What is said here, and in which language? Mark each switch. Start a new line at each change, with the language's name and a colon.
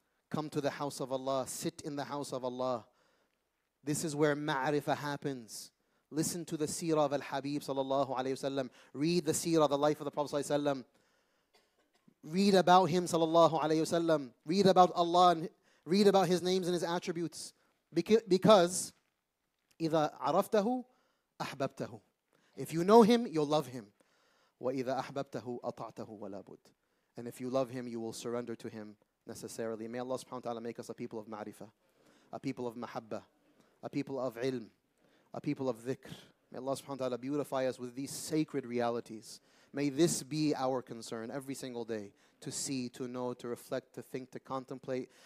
English: Come to the house of Allah, sit in the house of Allah. This is where ma'rifah happens. Listen to the seerah of al-Habib sallallahu alayhi wa sallam. Read the seerah, the life of the Prophet sallallahu alayhi wa sallam. Read about him sallallahu alayhi wa sallam. Read about Allah and read about his names and his attributes.
Arabic: Because إِذَا عَرَفْتَهُ أَحْبَبْتَهُ.
English: If you know him, you'll love him.
Arabic: وَإِذَا أَحْبَبْتَهُ أَطَعْتَهُ وَلَابُدْ.
English: And if you love him, you will surrender to him necessarily. May Allah subhanahu wa ta'ala make us a people of ma'rifah, a people of mahabbah, a people of ilm, a people of dhikr. May Allah subhanahu wa ta'ala beautify us with these sacred realities. May this be our concern every single day, to see, to know, to reflect, to think, to contemplate.